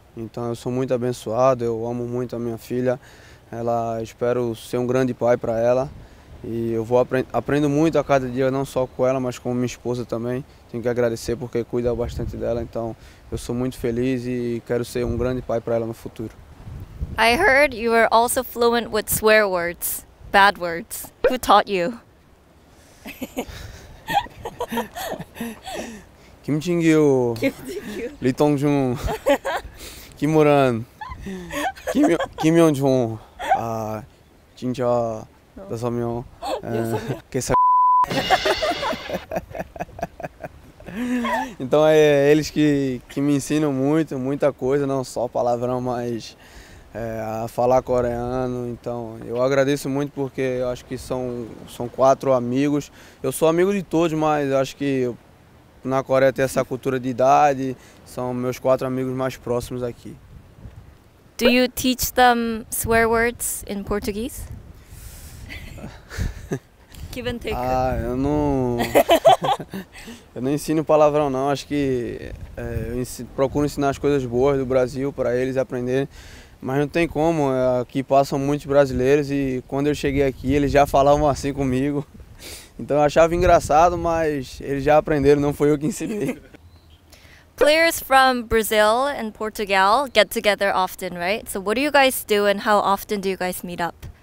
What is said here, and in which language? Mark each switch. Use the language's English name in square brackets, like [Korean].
[Portuguese] Então eu sou muito abençoado, eu amo muito a minha filha. Ela, espero ser um grande pai para ela. E eu vou aprendo muito a cada dia, não só com ela, mas com minha esposa também. Tenho que agradecer porque cuida bastante dela. Então eu sou muito feliz e quero ser um grande pai para ela no futuro. [English] I heard you are also fluent with swear words, bad words. Who taught you? [Korean] Kim Jin-gyu. Lee Dong-jun. Kim Moran. Kim Hyun-jun. Ah, 진짜 다섯 명. 개사. [Portuguese] Então é eles que me ensinam muito, muita coisa, não só palavrão, mas a falar coreano. Então eu agradeço muito porque eu acho que são quatro amigos. Eu sou amigo de todos, mas eu acho que na Coreia tem essa cultura de idade, são meus quatro amigos mais próximos aqui. [English] Do you teach them swear words in Portuguese? Give and take. [Portuguese] Eu não ensino palavrão, não. Acho que procuro ensinar as coisas boas do Brasil para eles aprenderem. Mas não tem como, aqui passam muitos brasileiros e quando eu cheguei aqui eles já falavam assim comigo. Então eu achava engraçado, mas eles já aprenderam, não foi eu que ensinei. [English] Players from Brazil and Portugal get together often, right? So what do you guys do and how often do you guys meet up?